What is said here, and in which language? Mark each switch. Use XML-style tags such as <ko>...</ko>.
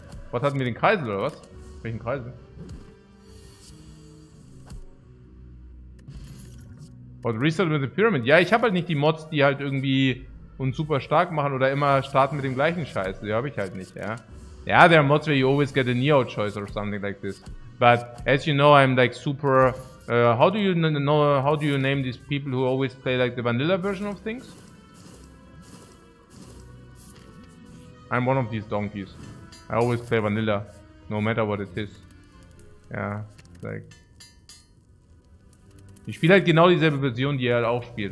<de>Was hatten wir, den Kreisel oder was? Welchen Kreisel? Und Restart mit der Pyramid. Ja, ich habe halt nicht die Mods, die halt irgendwie uns super stark machen oder immer starten mit dem gleichen Scheiß. Die habe ich halt nicht, ja.</de> <en>Ja, there are Mods where you always get a Neo choice or something like this. But as you know, I'm like super. How do you name these people who always play like the vanilla version of things? I'm one of these donkeys. I always play vanilla, no matter what it is. Yeah, like.</en> <de>Ich spiele halt genau dieselbe Version, die er halt auch spielt.</de>